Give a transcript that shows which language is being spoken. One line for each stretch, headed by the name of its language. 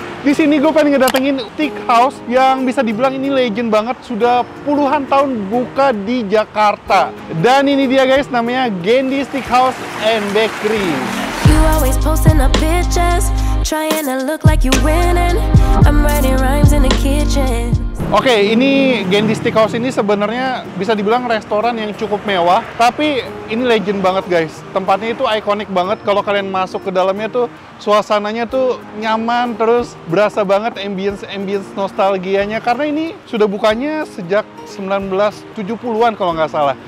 Indonesian: Di sini gue pengen ngedatengin Tik House yang bisa dibilang ini legend banget, sudah puluhan tahun buka di Jakarta. Dan ini dia guys, namanya Gendy's Tik House and Bakery.
English: You always posting up pictures, trying to look like you winning. I'm writing rhymes in the kitchen.
Indonesian: Oke, ini Gendy's Tik House ini sebenarnya bisa dibilang restoran yang cukup mewah, tapi ini legend banget guys. Tempatnya itu ikonik banget, kalau kalian masuk ke dalamnya tuh suasananya tuh nyaman, terus berasa banget ambience nostalgianya, karena ini sudah bukanya sejak 1970-an kalau nggak salah.